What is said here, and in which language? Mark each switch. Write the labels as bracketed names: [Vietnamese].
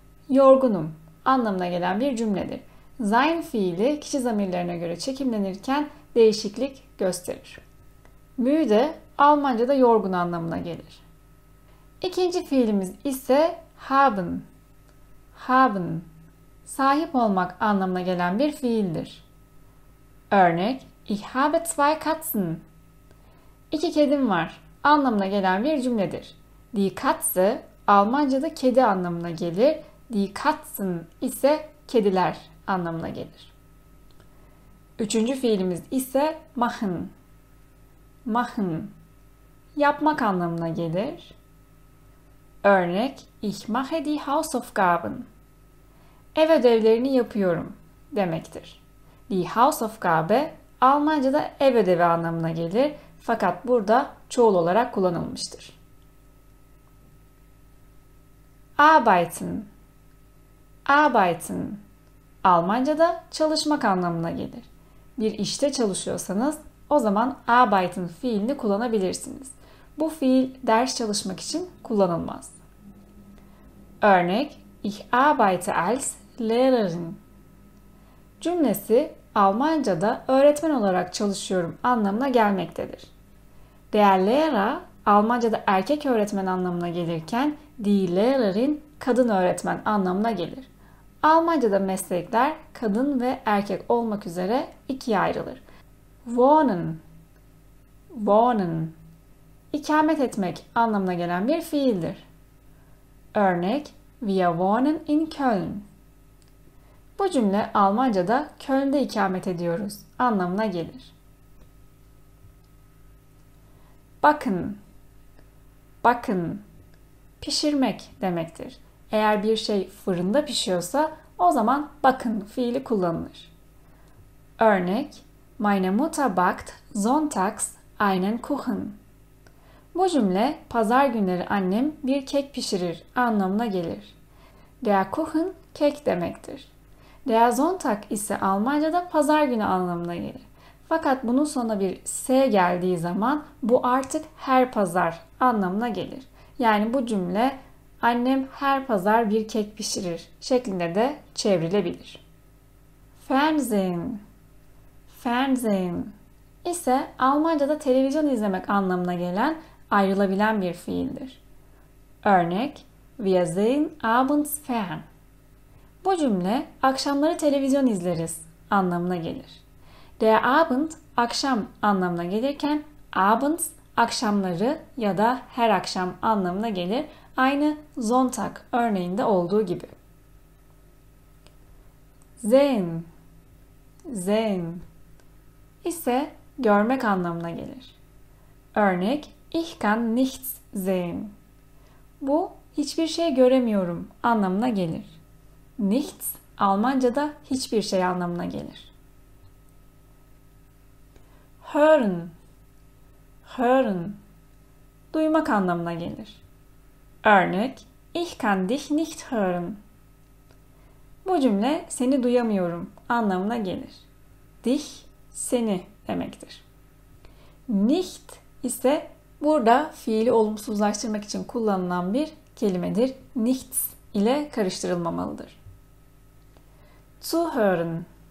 [Turkish] Yorgunum anlamına gelen bir cümledir. Sein fiili kişi zamirlerine göre çekimlenirken değişiklik gösterir. Müde Almanca'da yorgun anlamına gelir. İkinci fiilimiz ise haben. Haben. Sahip olmak anlamına gelen bir fiildir. [German] Örnek: Ich habe zwei Katzen. [Turkish] İki kedim var anlamına gelen bir cümledir. Die Katze Almanca'da kedi anlamına gelir. Die Katzen ise kediler anlamına gelir. Üçüncü fiilimiz ise machen. Machen. Yapmak anlamına gelir. [German] Örnek: Ich mache die Hausaufgaben. [Turkish] Ev ödevlerini yapıyorum demektir. Die Hausaufgabe Almanca'da ev ödevi anlamına gelir. Fakat burada çoğul olarak kullanılmıştır. [German] Arbeiten. Arbeiten. [Turkish] Almanca'da çalışmak anlamına gelir. Bir işte çalışıyorsanız o zaman arbeiten fiilini kullanabilirsiniz. Bu fiil ders çalışmak için kullanılmaz. [German] Örnek: Ich arbeite als Lehrerin. [Turkish] Cümlesi Almanca'da öğretmen olarak çalışıyorum anlamına gelmektedir. Der Lehrer Almanca'da erkek öğretmen anlamına gelirken die Lehrerin kadın öğretmen anlamına gelir. Almanca'da meslekler kadın ve erkek olmak üzere ikiye ayrılır. Wohnen, wohnen, ikamet etmek anlamına gelen bir fiildir. [German] Örnek: Wir wohnen in Köln. [Turkish] Bu cümle Almanca'da Köln'de ikamet ediyoruz anlamına gelir. Bakın. Bakın, pişirmek demektir. Eğer bir şey fırında pişiyorsa o zaman bakın fiili kullanılır. [German] Örnek: Meine Mutter backt sonntags einen Kuchen. [Turkish] Bu cümle pazar günleri annem bir kek pişirir anlamına gelir. Der Kuchen kek demektir. Der Sonntag ise Almanca'da pazar günü anlamına gelir. Fakat bunun sonuna bir s geldiği zaman bu artık her pazar anlamına gelir. Yani bu cümle annem her pazar bir kek pişirir şeklinde de çevrilebilir. Fernsehen. Fernsehen ise Almanca'da televizyon izlemek anlamına gelen ayrılabilen bir fiildir. [German] Örnek: Wir sehen abends fern. [Turkish] Bu cümle akşamları televizyon izleriz anlamına gelir. Der Abend akşam anlamına gelirken abends akşamları ya da her akşam anlamına gelir. Aynı Sonntag örneğinde olduğu gibi. Sehen. Sehen ise görmek anlamına gelir. [German] Örnek: Ich kann nichts sehen. [Turkish] Bu hiçbir şey göremiyorum anlamına gelir. Nichts Almanca'da hiçbir şey anlamına gelir. Hören. Hören. Duymak anlamına gelir. [German] Örnek: Ich kann dich nicht hören. [Turkish] Bu cümle seni duyamıyorum anlamına gelir. Dich seni demektir. Nicht ise burada fiili olumsuzlaştırmak için kullanılan bir kelimedir. Nichts ile karıştırılmamalıdır. Zuhören.